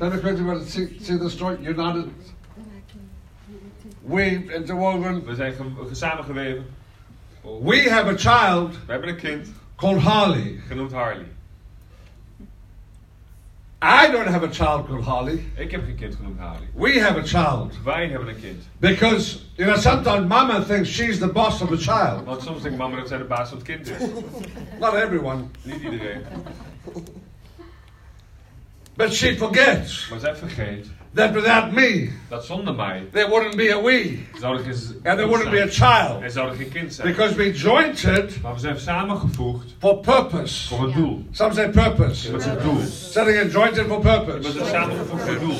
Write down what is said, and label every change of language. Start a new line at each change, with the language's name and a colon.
English: Let me quickly see the story. United. Weaved, interwoven.
Dutch: We zijn samengeweven.
English: We have a child.
Dutch: We hebben een kind.
English: Called Harley.
Dutch: Genoemd Harley.
English: I don't have a child called Harley.
Dutch: Ik heb geen kind genoemd Harley.
English: We have a child.
Dutch: Wij hebben een kind.
English: Because you know sometimes mama thinks she's the boss of the child.
Dutch: Want soms denkt mama dat zij de baas van het kind is.
English: Not everyone.
Dutch: Niet iedereen.
English: But she forgets.
Dutch: Maar zij vergeet.
English: That without me,
Dutch: dat zonder mij,
English: there wouldn't be a we, and there wouldn't Be a child,
Dutch: er zou geen kind zijn.
English: Because we joined it,
Dutch: maar we zijn samengevoegd,
English: for purpose,
Dutch: voor een doel.
English: Some say purpose,
Dutch: wat is het doel?
English: Setting a joint it for purpose,
Dutch: we zijn samengevoegd voor doel.